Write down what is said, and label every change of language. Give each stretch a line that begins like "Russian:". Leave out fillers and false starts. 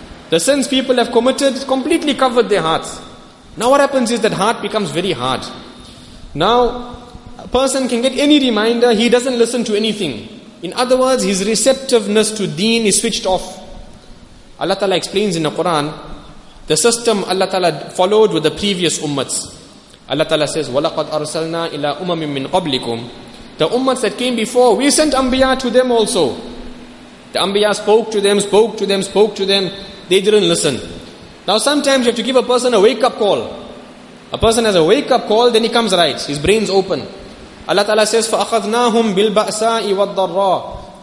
English: The sins people have committed completely covered their hearts. Now what happens is that heart becomes very hard. Now, a person can get any reminder, he doesn't listen to anything. In other words, his receptiveness to deen is switched off. Allah Ta'ala explains in the Quran, the system Allah Ta'ala followed with the previous ummats. Allah Ta'ala says,
Arabic: وَلَقَدْ أَرْسَلْنَا إِلَىٰ أُمَمٍ مِّن قَبْلِكُمْ.
English: The ummats that came before, we sent anbiya to them also. The anbiya spoke to them, they didn't listen. Now sometimes you have to give a person a wake-up call. A person has a wake-up call, then he comes right, his brain's open. Allah Ta'ala says,
Arabic: فَأَخَذْنَاهُمْ بِالْبَأْسَاءِ وَالضَّرَّىٰ.